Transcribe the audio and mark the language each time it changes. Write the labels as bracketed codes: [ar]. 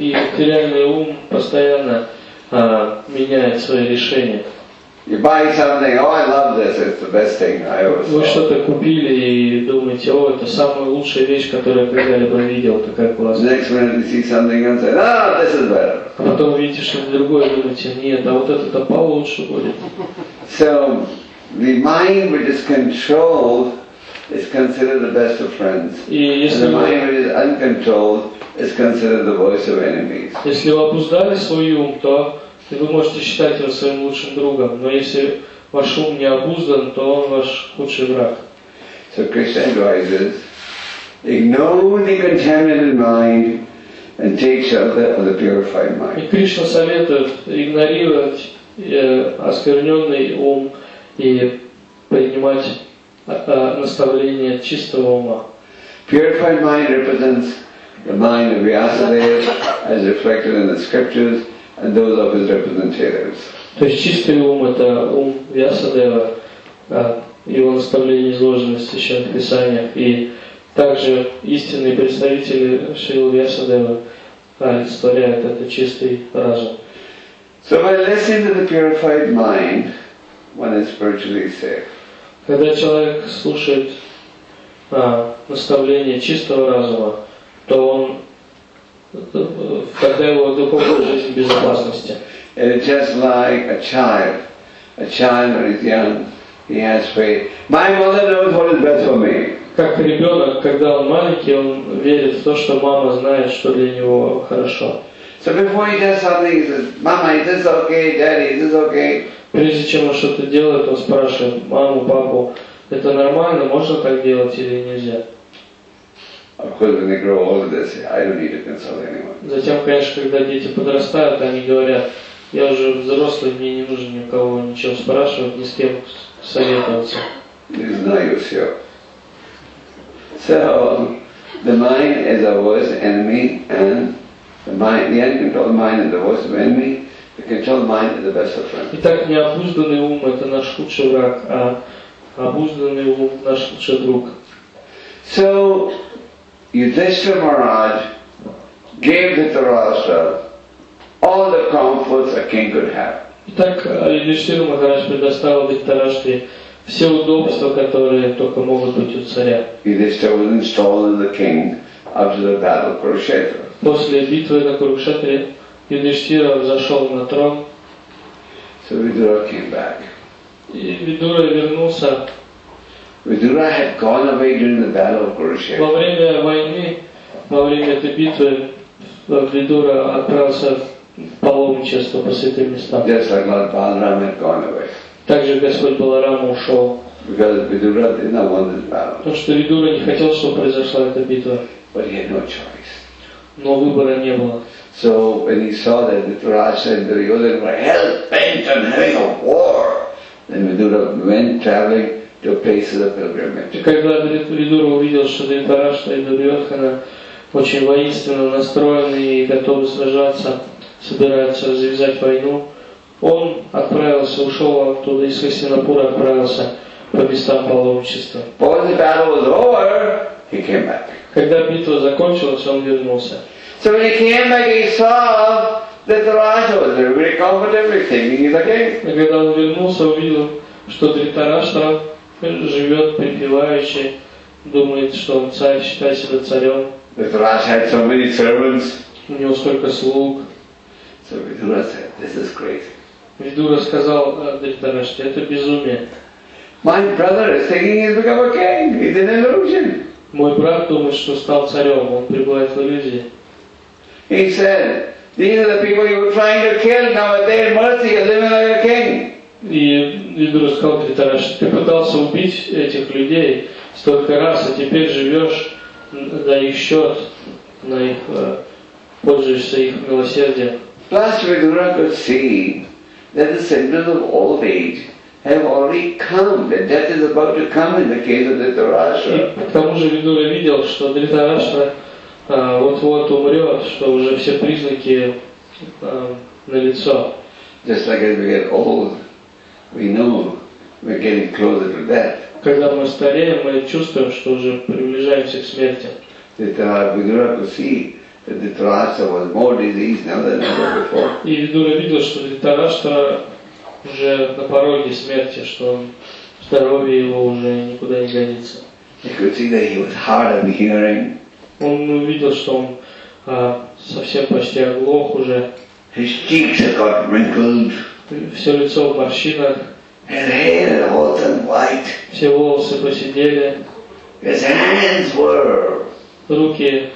[ru] И материальный ум постоянно меняет свои решения. [en] You buy something, oh, I love this, it's the best thing I ever saw. [ru] Вы что-то купили и думаете, о, это самая лучшая вещь, которую я когда-либо видел, такая классная. [en] Next minute you see something and say, ah, this is better. [ru] А потом видите что-то другое, думаете, нет, а вот это-то получше будет. [en] So, the mind which is controlled is considered the best of friends. And the mind which is uncontrolled is considered the voice of enemies. [ru] Если вы обуздали свой ум, то и вы можете считать его своим лучшим другом, но если ваш ум не обуздан, то он ваш худший враг. [en] So Krishna advises, ignore the contaminated mind and take shelter of the purified mind. [ru] И Кришна советует игнорировать оскверненный ум и принимать наставление чистого ума. [en] Purified mind represents the mind of Vyasadeva as reflected in the scriptures. And those of his representatives. [ru] То есть чистый ум это ум Вьясадева, его наставления изложены в священных писаниях, и также истинные представители Шрилы Вьясадева олицетворяют этот чистый разум. [en] So by listening to the purified mind, one is spiritually safe. [ru] Когда человек слушает наставления чистого разума, то он тогда его духовная жизнь в безопасности. [en] It is just like a child when he's young, he has faith. My mother knows what is best for me. [ru] Как ребенок, когда он маленький, он верит в то, что мама знает, что для него хорошо. [en] So before he does something, he says, "Mama, is this okay? Daddy, is this okay?" [ru] Прежде чем он что-то делает, он спрашивает маму, папу, это нормально, можно так делать или нельзя? [en] Of course, when they grow older, they say, "I don't need to consult anyone." [ru] Затем, конечно, когда дети подрастают, они говорят, "Я уже взрослый, мне не нужно никого ничего спрашивать, ни с кем советоваться? Не знаю все. [en] So, the mind is a worse enemy, and the uncontrolled mind is the worst enemy. The controlled mind is the best friend. [ru] Итак, необузданный ум – это наш худший враг, а обузданный ум – наш лучший друг. [en] So, Yudhishthira Maharaj gave Dhritarashtra all the comforts a king could have. [ru] Итак, Юдхиштхира Махарадж предоставил Дхритараштре все удобства, которые только могут быть у царя. [en] Yudhishthira was installed as a king after the battle of Kurukshetra. [ru] После битвы на Курукшетре Юдхиштхира взошел на трон. [en] So Vidura came back. [ru] И Видура вернулся. [en] Vidura had gone away during the battle of Kurukshetra. [ru] Во время войны, во время этой битвы, Видура отправился в паломничество по святым местам. [en] Just like Lord Balaram had gone away. [ru] Также Господь Баларама ушел. [en] Because Vidura did not want this battle. [ru] Потому что Видура не хотел, чтобы произошла эта битва. [en] But he had no choice. [ru] Но выбора не было. [en] So when he saw that Dhritarashtra and Duryodhana were hell-bent on having a war, then Vidura went traveling to places of pilgrimage. [ru] Когда Видура увидел, что Дхритараштра и Дурьотхана очень воинственно настроены и готовы сражаться, собираются развязать войну, он отправился, ушел оттуда из Хастинапура, отправился по местам паломничества. [en] When the battle was over, he came back. [ru] Когда битва закончилась, он вернулся. [en] So when he came back, he saw that the Raja was very comfortable, thinking he's a king. [ru] Когда он вернулся, увидел, что Дхритараштра живет припеваючи, думает, что он царь, считает себя царем. [en] Dhritarashtra had so many servants. [ru] У него столько слуг. [en] So Vidura said, "This is crazy." [ru] Vidura сказал Дхритараштре, "Это безумие." [en] My brother is thinking he's become a king. He's an illusion. [ru] Мой брат думает, что стал царем. Он пребывает в иллюзии. [en] He said, "These are the people you were trying to kill. Now at their mercy, you're living like a king." [ru] И Vidura сказал Дхритараштре, "Ты пытался убить этих людей столько раз, а теперь живешь на их счет, на их пользуешься их милосердием." [en] Plus, Vidura could see that the symptoms of old age have already come, that death is about to come in the case of Dhritarashtra. [ru] К тому же Vidura видел, что Дхритараштра вот-вот умрет, что уже все признаки налицо. [en] Just like as we get old, we know we're getting closer to death. [ru] Когда мы стареем, мы чувствуем, что уже приближаемся к смерти. [en] Vidura could see that the Dhritarashtra was more diseased now than ever before. [ru] И Vidura видел, что Dhritarashtra уже на пороге смерти, что здоровье его уже никуда не годится. [en] He could see that he was hard of hearing. [ru] Он увидел, что он совсем почти оглох уже. [en] His cheeks had got wrinkled. [ru] Все лицо в морщинах. [en] His hair had all turned white. [ru] Все волосы посидели. [en] His hands were [ru] руки